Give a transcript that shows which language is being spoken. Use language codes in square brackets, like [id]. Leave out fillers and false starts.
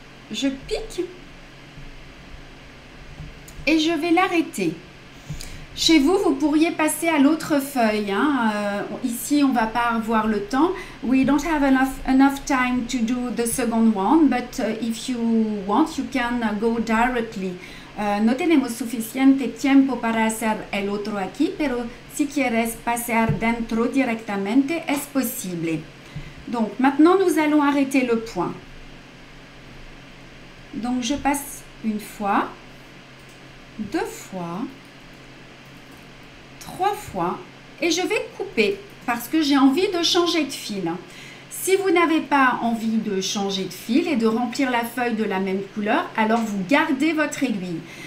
[fr] Je pique et je vais l'arrêter. Chez vous, vous pourriez passer à l'autre feuille. Hein? Ici, on ne va pas avoir le temps. [en] We don't have enough time to do the second one, but if you want, you can go directly. [es] No tenemos suficiente tiempo para hacer el otro aquí, pero si quieres pasar dentro directamente, es posible. [fr] Donc, maintenant, nous allons arrêter le point. Donc, je passe une fois, deux fois, trois fois et je vais couper parce que j'ai envie de changer de fil. Si vous n'avez pas envie de changer de fil et de remplir la feuille de la même couleur, alors vous gardez votre aiguille.